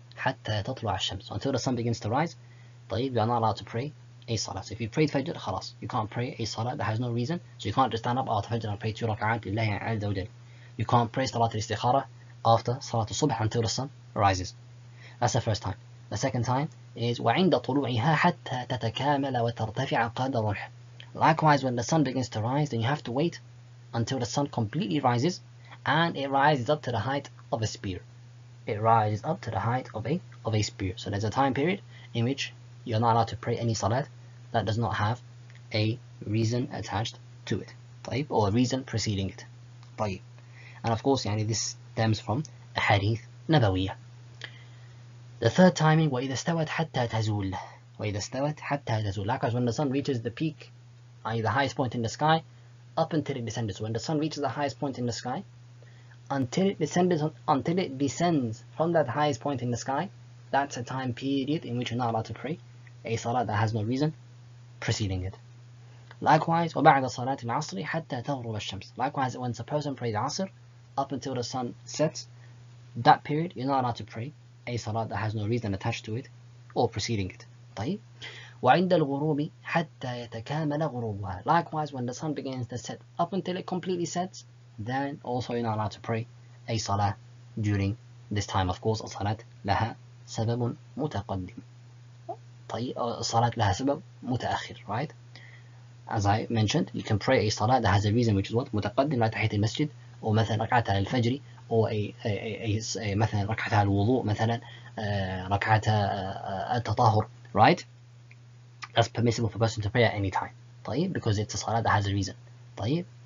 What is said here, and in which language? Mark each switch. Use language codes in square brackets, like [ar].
[ar] حَتَّى تَطْلُعَ الشَّمْسُ. [en] So until the sun begins to rise, طيب, you're not allowed to pray a salah. So if you prayed Fajr, خلاص. You can't pray a salah that has no reason. So you can't just stand up after Fajr and pray two raka'at [ar] لله عز وجل. [en] You can't pray Salat al-Istikhara after Salat al-Subh until the sun rises. That's the first time. The second time is [ar] وَعِنْدَ طُلُوعِهَا حَتَّى تَتَكَامَلَ وَتَرْتَفِعَ قَدَ رُوحٍ. [en] Likewise, when the sun begins to rise, then you have to wait until the sun completely rises, and it rises up to the height of a spear. It rises up to the height of a spear. So there's a time period in which you're not allowed to pray any salat that does not have a reason attached to it, طيب, or a reason preceding it. طيب. And of course, يعني, this stems from a hadith nabawiyya. The third timing, [ar] وَإِذَا اسْتَوَتْ حَتَّى تَزُولْ. وَإِذَا اسْتَوَتْ حَتَّى تَزُولْ. [en] Likewise, when the sun reaches the peak, i.e. the highest point in the sky, up until it descends. So when the sun reaches the highest point in the sky, until it descends from that highest point in the sky, that's a time period in which you're not allowed to pray a salah that has no reason preceding it. [ar] Likewise, وَبَعْدَ صَلَاتِ الْعَصْرِ حَتَّى تَغْرُبَ الشَّمْسِ. [en] Likewise, when a person prays Asr, up until the sun sets, that period, you're not allowed to pray a salah that has no reason attached to it or preceding it. [ar] طيب. وعند الغروب حتى يتكامل غروبها. [en] Likewise, when the sun begins to set, up until it completely sets, then also you're not allowed to pray a salah during this time of course [ar] الصلاة لها سبب متقدم الصلاة لها سبب متأخر [en] right as I mentioned you can pray a salah that has a reason which is what [ar] متقدم على تحية المسجد أو مثلا ركعتها للفجر أو [en] a [ar] مثلا ركعتها الوضوء مثلا ركعتها التطهر [en] right that's permissible for a person to pray at any time طيب because it's a salah that has a reason طيب